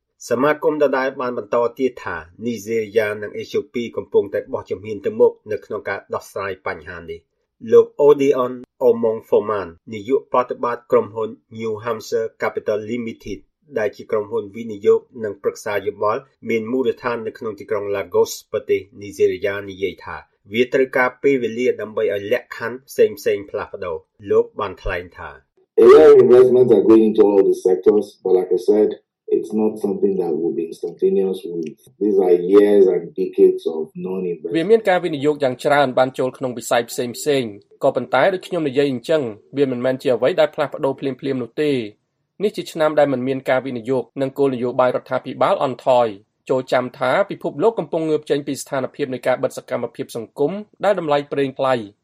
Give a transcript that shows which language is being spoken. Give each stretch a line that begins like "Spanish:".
Khmer: សមាគមដដែលបានបន្តទៀតថានីហ្សេរីយ៉ានិងអេសយូពីកំពុងតែបោះជំហានទៅមុខនៅក្នុងការដោះស្រាយបញ្ហានេះលោក Odeon Omong Foman នាយកប្រតិបត្តិក្រុមហ៊ុន New Hampshire Capital Limited ដែលជាក្រុមហ៊ុនវិនិយោគនិងប្រឹក្សាយោបល់មានមូលដ្ឋាននៅក្នុងទីក្រុង Lagos ប្រទេសនីហ្សេរីយ៉ានិយាយថាវាត្រូវការពេលវេលាដើម្បីឲ្យលក្ខខណ្ឌផ្សេងៗផ្លាស់ប្ដូរលោកបានថ្លែងថា
English: AI investments are going into all the sectors but like I said it's not something that will be instantaneous these are years and decades of non-investment
Khmer: វាមានការវិនិយោគយ៉ាងច្រើនបានចូលក្នុងវិស័យផ្សេងៗក៏ប៉ុន្តែដូចខ្ញុំនិយាយអញ្ចឹងវាមិនមែនជាអ្វីដែលផ្លាស់ប្ដូរភ្លាមៗនោះទេ នេះជាឆ្នាំដែលមិនមានការវិនិយោគនិងគោលនយោបាយរដ្ឋាភិបាលអន់ថយចូលចាំថាពិភពលោកកំពុងងើបចេញពីស្ថានភាពនៃការបិទសកម្មភាពសង្គមដែលដំឡៃប្រេងថ្លៃ